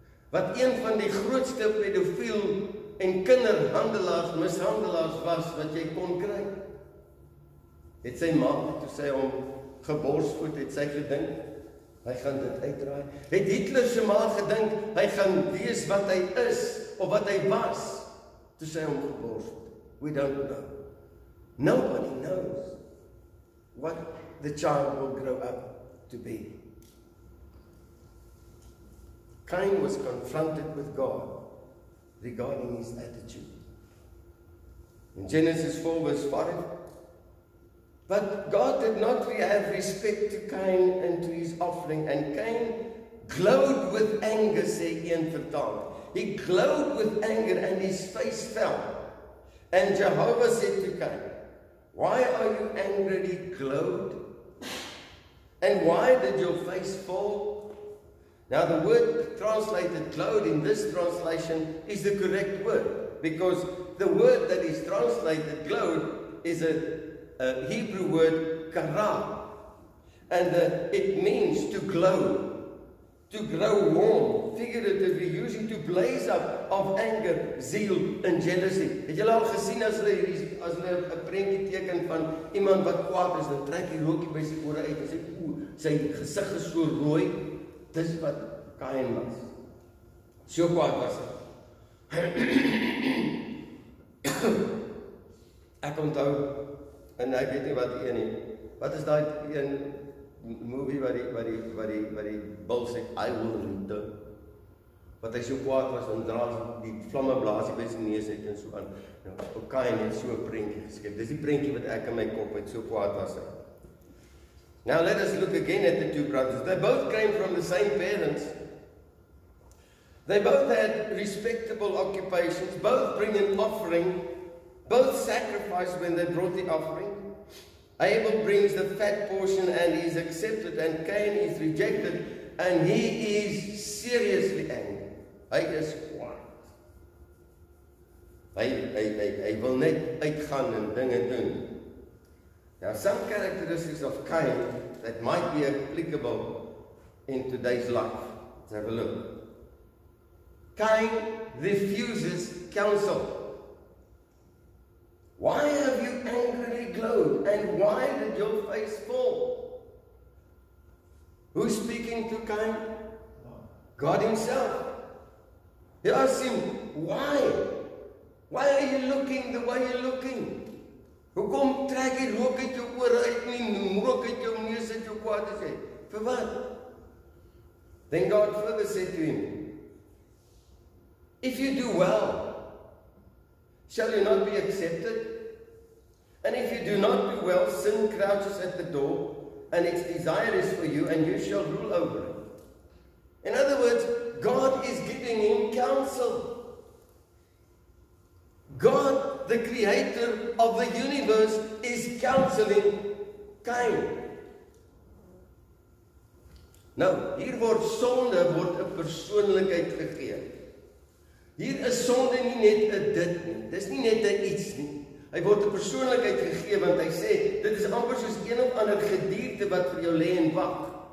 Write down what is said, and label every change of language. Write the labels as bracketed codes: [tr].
[af] Wat een van die grootste pedofiel en kinderhandelaars, mishandelaars was, wat jy kon kry. Het sy ma, toe sy hom geborsvoed, het sy gedink, hy gaan dit uitdraai. Het Hitler sy ma gedink, hy gaan wees wat hy is, of wat hy was, toe sy hom geborsvoed. [en] We don't know. Nobody knows what the child will grow up to be. Cain was confronted with God regarding his attitude. In Genesis 4 verse 5, but God did not have respect to Cain and to his offering, and Cain glowed with anger, say Ian Vertal. He glowed with anger and his face fell. And Jehovah said to Cain, why are you angry? He glowed. And why did your face fall? Now the word translated glowed in this translation is the correct word, because the word that is translated glowed is a Hebrew word kara, and it means to glow, to grow warm, figuratively using to blaze up of anger, zeal and jealousy. [af] Het julle al gesien as hulle 'n prentjie teken van iemand wat kwaad is, dan trek hy rookie by sy ore uit en sê ooh, sy gesig is so rooi. Dis wat Cain was. So kwaad was hy. Ek onthou, en ek weet nie wat die een nie. Wat is daai een movie wat die bil sê, [en] I will return. [af] Wat hy so kwaad was, en dra die vlamme blaasie by sy neus uit en so aan. Nou, Cain het so 'n prentjie geskep. Dis die prentjie wat ek in my kop het, so kwaad was hy. [en] Now let us look again at the two brothers. They both came from the same parents. They both had respectable occupations. Both bring an offering. Both sacrifice when they brought the offering. Abel brings the fat portion and he's accepted. And Cain is rejected. And he is seriously angry. [af] Hy is kwaad. Hy wil net uitgaan en dinge doen. [en] Now, some characteristics of Cain that might be applicable in today's life. Let's have a look. Cain refuses counsel. Why have you angrily glowed? And why did your face fall? Who's speaking to Cain? God himself. He asks him, why? Why are you looking the way you're looking? [af] Hoekom trek jy rook uit jou ore uit nie, rook uit jou neus uit jou kwaad is jy? Vir wat? [en] Then God further said to him, if you do well, shall you not be accepted? And if you do not do well, sin crouches at the door, and its desire is for you, and you shall rule over it. In other words, God is giving him counsel. God, the creator of the universe, is counseling Cain. [af] Nou, hier word sonde, word 'n persoonlikheid gegee. Hier is sonde nie net 'n dit nie. Dis nie net 'n iets nie. Hy word 'n persoonlikheid gegee, want hy sê, dit is amper soos een of ander gedierte wat vir jou lê en wag.